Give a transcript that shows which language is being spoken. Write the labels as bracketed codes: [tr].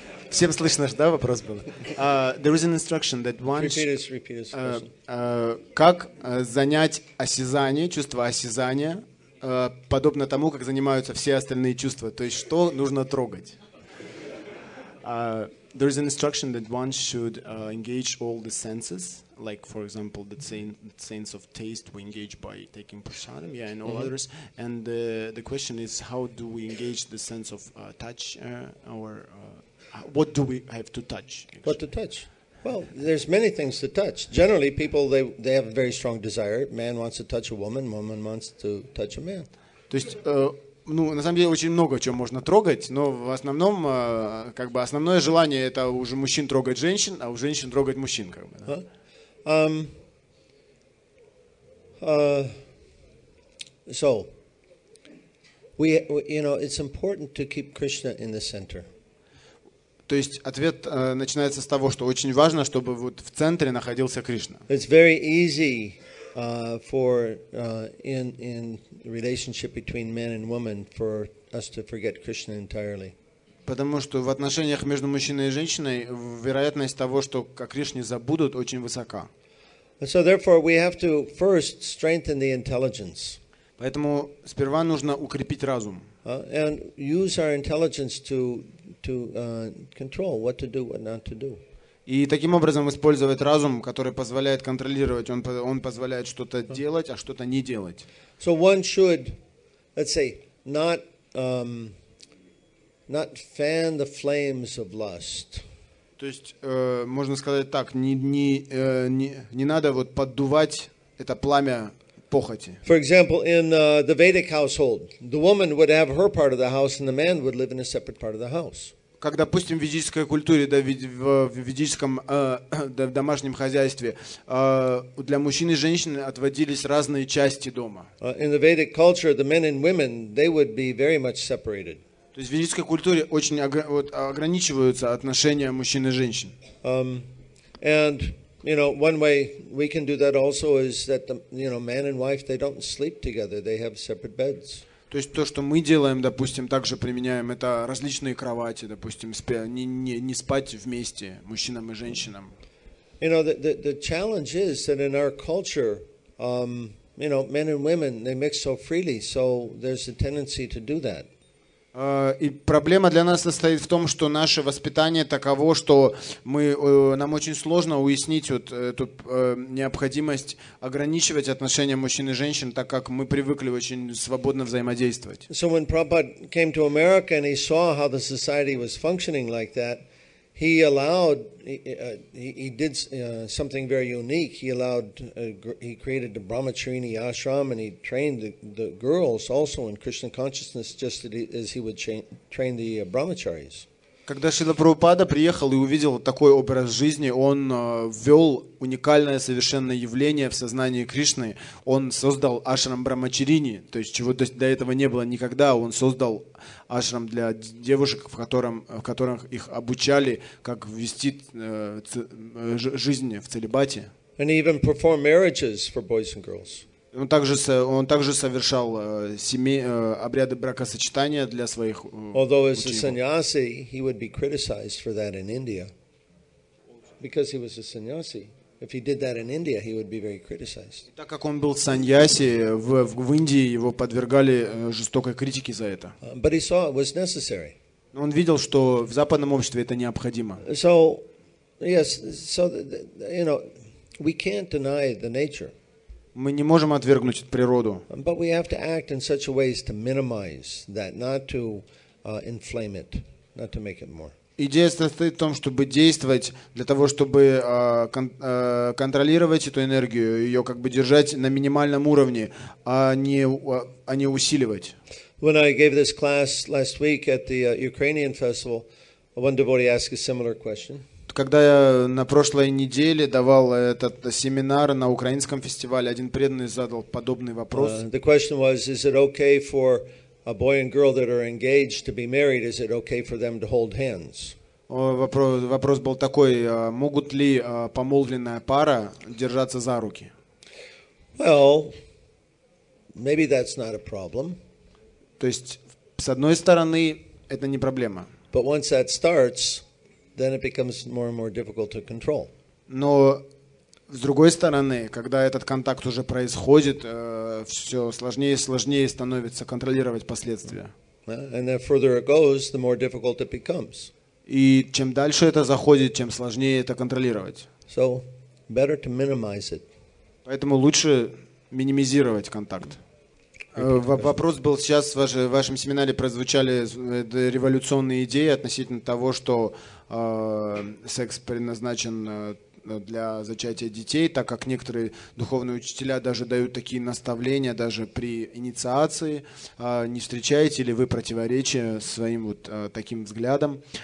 [ru] Всем слышно, да, вопрос был? [en] There is an instruction that one... Repeat his question. [ru] Как занять осязание, чувство осязания, подобно тому, как занимаются все остальные чувства, то есть что нужно трогать? [en] There is an instruction that one should engage all the senses, like for example the sense of taste we engage by taking prasadam, yeah, and all mm-hmm. others. And the question is, how do we engage the sense of touch, or what do we have to touch? Actually? What to touch? Well, there's many things to touch. Generally, people they have a very strong desire. Man wants to touch a woman. Woman wants to touch a man. [ru] То есть ну, на самом деле, очень много чего можно трогать, но в основном, как бы, основное желание – это у мужчин трогать женщин, а у женщин трогать мужчин, как бы. Да? [en] So, we, you know, it's important to keep Krishna in the center. [ru] То есть, ответ начинается с того, что очень важно, чтобы вот в центре находился Кришна. [en] It's very easy for in relationship between man and woman for us to forget Krishna entirely. [ru] Потому что в отношениях между мужчиной и женщиной вероятность того, что о Кришне забудут, очень высока. [en] So therefore we have to first strengthen the intelligence. [ru] Поэтому сперва нужно укрепить разум. [en] And use our intelligence to control what to do, what not to do. [ru] И таким образом использовать разум, который позволяет контролировать, он позволяет что-то делать, а что-то не делать. [en] So one should, let's say, not fan the flames of lust. [ru] То есть можно сказать так, не надо вот поддувать это пламя похоти. [en] For example, in the Vedic household, the woman would have her part of the house, and the man would live in a separate part of the house. [ru] Как, допустим, в ведической культуре, да, в ведическом в домашнем хозяйстве для мужчин и женщин отводились разные части дома. [en] In the Vedic culture, the men and women, they would be very much separated. [ru] То есть в ведической культуре очень ограничиваются отношения мужчин и женщин. [en] And, you know, one way we can do that also is that, the, you know, man and wife, they don't sleep together, they have separate beds. [ru] То есть то, что мы делаем, допустим, также применяем, это различные кровати, допустим, не спать вместе мужчинам и женщинам. [en] You know, the challenge is that in our culture, you know, men and women, they mix so freely, so there's a tendency to do that. [ru] И проблема для нас состоит в том, что наше воспитание таково, что мы, нам очень сложно уяснить вот эту необходимость ограничивать отношения мужчин и женщин, так как мы привыкли очень свободно взаимодействовать. [en] So when Prabhupada came to America and he saw how the society was functioning like that, he allowed, he did something very unique. He allowed, he created the Brahmacharini ashram, and he trained the girls also in Krishna consciousness, just as he would train the Brahmacharis. [ru] Когда Шрила Прабхупада приехал и увидел такой образ жизни, он ввел уникальное совершенное явление в сознании Кришны. Он создал ашрам Брахмачарини, то есть чего до этого не было никогда. Он создал ашрам для девушек, в которых их обучали, как вести жизнь в целибате. [en] And even perform marriages for boys and girls. [ru] Он также совершал обряды бракосочетания для своих учеников. [en] Although as a sannyasi, he would be criticized for that in India, because he was a sannyasi. If he did that in India, he would be very criticized. [ru] Так как он был саньяси, в Индии его подвергали жестокой критике за это. [en] But he saw it was necessary. [ru] Но он видел, что в западном обществе это необходимо. [en] So, yes, so you know, we can't deny the nature. [ru] Мы не можем отвергнуть природу. [en] But we have to act in such a way as to minimize that, not to inflame it, not to make it more. [ru] Идея состоит в том, чтобы действовать для того, чтобы контролировать эту энергию, ее как бы держать на минимальном уровне, а не усиливать. [en] When I gave this class last week at the Ukrainian festival, one devotee asked a similar question. [ru] Когда я на прошлой неделе давал этот семинар на украинском фестивале, один преданный задал подобный вопрос. [en] The question was, is it okay for a boy and girl that are engaged to be married, is it okay for them to hold hands? [ru] Вопрос был такой, могут ли помолвленная пара держаться за руки? [en] Well, maybe that's not a problem. [ru] То есть, с одной стороны, это не проблема. [en] But once that starts, then it becomes more and more difficult to control. [ru] Но с другой стороны, когда этот контакт уже происходит, все сложнее и сложнее становится контролировать последствия. [en] And the further it goes, the more difficult it becomes. [ru] И чем дальше это заходит, тем сложнее это контролировать. [en] So, better to minimize it. [ru] Поэтому лучше минимизировать контакт. Вопрос был сейчас, в вашем семинаре прозвучали революционные идеи относительно того, что секс предназначен для зачатия детей, так как некоторые духовные учителя даже дают такие наставления, даже при инициации, не встречаете ли вы противоречия своим вот таким взглядом?